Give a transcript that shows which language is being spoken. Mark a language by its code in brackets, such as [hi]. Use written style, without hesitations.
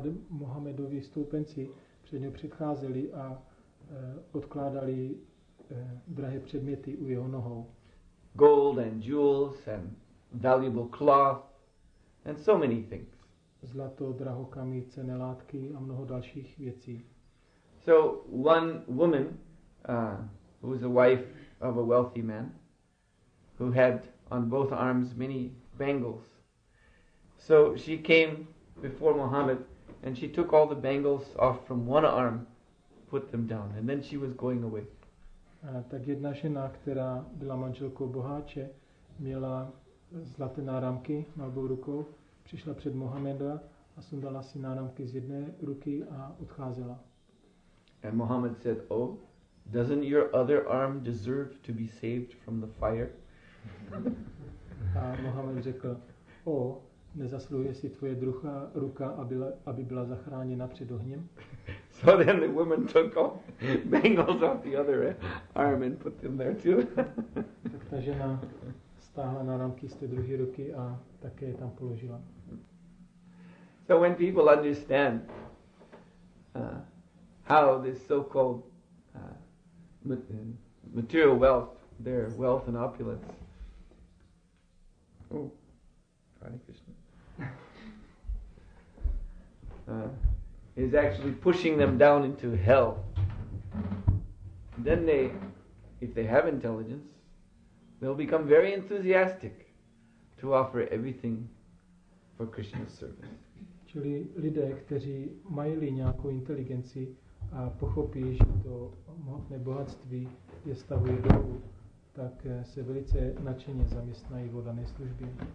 [cs] Muhammadovi stoupenci před něj přicházeli a odkládali drahé předměty u jeho nohou. [en] Gold and jewels and valuable cloth and so many things. [cs] Zlato, drahokamy, cenné látky a mnoho dalších věcí. [en] So one woman, who was a wife of a wealthy man, who had on both arms many bangles, So she came before Muhammad and she took all the bangles off from one arm, put them down, and then she was going away. [cs] Tak jedna žena, která byla manželkou boháče, měla zlaté náramky na obou rukou, přišla před Mohameda a sundala si náramky z jedné ruky a odcházela. [en] And Muhammad said, "Oh, doesn't your other arm deserve to be saved from the fire?" [cs] A Muhammad řekl, "O, nezasluhuje si tvoje druhá ruka, aby byla zachráněna před ohněm?" [en] So then the woman took off bangles off the other arm and put them there too. [cs] Tak ta žena stáhla náramky z té druhé ruky a také je tam položila. [en] So when people understand how this so-called material wealth, their wealth and opulence. Oh, Hare Krishna. Is actually pushing them down into hell. Then they, if they have intelligence, they'll become very enthusiastic to offer everything for Krishna's service. [cs] Čili lidé, kteří mají nějakou inteligenci a pochopí, že to mohutné bohatství je stavuje dolů, tak se velice nadšeně zaměstnají v dané službě.